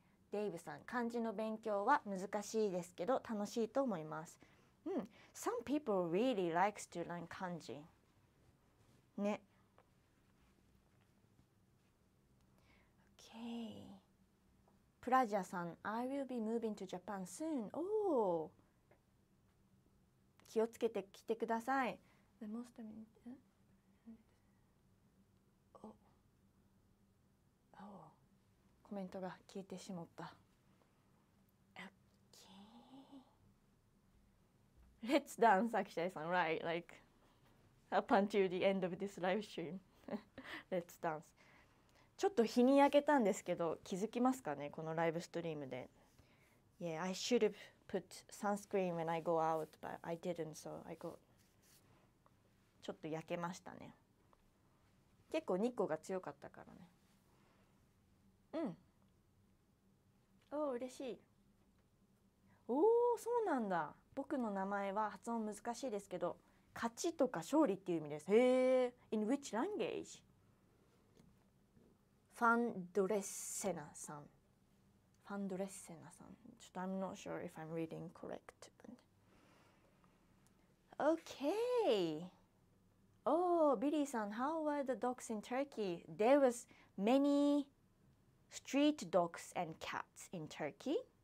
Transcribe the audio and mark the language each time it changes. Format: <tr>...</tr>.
<ja>デイブさん、漢字の勉強は難しいですけど楽しいと思います。</ja> <en>うん、Some people really likes to learn 漢字。</en> <ja>ね。</ja> <en>Okay. プラジャさん、I will be moving to Japan soon. Oh.</en> <ja>気をつけて来てください。</ja> <en>The most important.</en> <ja>コメントが消えてしまった。</ja> <en>Let's dance, Akishai-san, right? Like, up until the end of this live stream. Let's dance.</en> <ja>ちょっと日に焼けたんですけど、気づきますかね、このライブストリームで。</ja> <en>Yeah, I should have put sunscreen when I go out, but I didn't, so I got...</en> <ja>ちょっと焼けましたね。結構日光が強かったからね。うん。おー嬉しい。おーそうなんだ。僕の名前は発音難しいですけど、勝ちとか勝利っていう意味です。</ja> <en>へえ。In which language?</en> <ja>ファンドレッセナさん。ファンドレッセナさん。ちょっと</ja> <en>I'm not sure if I'm reading correct. Okay. Oh, Billy さん、How were the dogs in Turkey? There was many... Street dogs and cats in Turkey.</en>